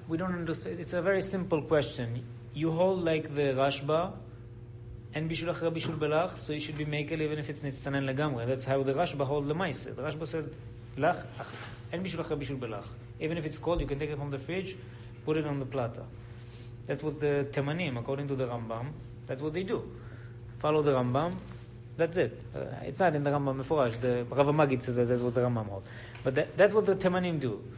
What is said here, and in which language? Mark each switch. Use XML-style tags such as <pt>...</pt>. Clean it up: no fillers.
<en>We don't understand, it's a very simple question. You hold like the Rashba, and Bishul Achar Bishul Belach, so you should be makel even if it's נצטנן לגמרי. That's how the Rashba hold the Maise. The Rashba said,</en> <he>לך, אין בישול אחר בישול בלך.</he> <en>Even if it's cold, you can take it from the fridge, put it on the plata. That's what the Temanim, according to the Rambam, that's what they do. Follow the Rambam, that's it. It's not in the Rambam Meforash. The Rav HaMagid says that that's what the Rambam holds. But that's what the Temanim do.</en>